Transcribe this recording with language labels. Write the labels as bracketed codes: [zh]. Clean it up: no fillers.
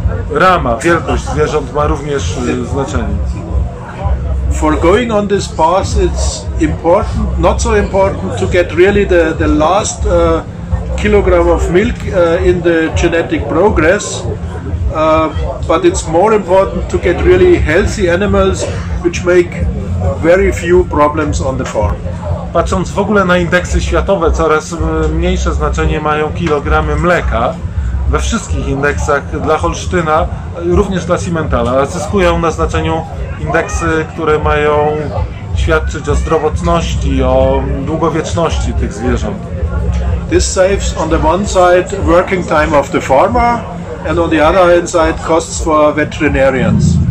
[pl] Rama, wielkość zwierząt ma również znaczenie. [en] For going on this path, it's important, not so important to get really the last kilogram of milk in the genetic progress. But it's more important to get really healthy animals, which make very few problems on the farm. [pl] Patrząc w ogóle na indeksy światowe, coraz mniejsze znaczenie mają kilogramy mleka we wszystkich indeksach dla Holsztyna, również dla Simentala, zyskują na znaczeniu indeksy, które mają świadczyć o zdrowotności, o długowieczności tych zwierząt. [en] This saves on the one side working time of the farmer, and on the other hand side costs for veterinarians.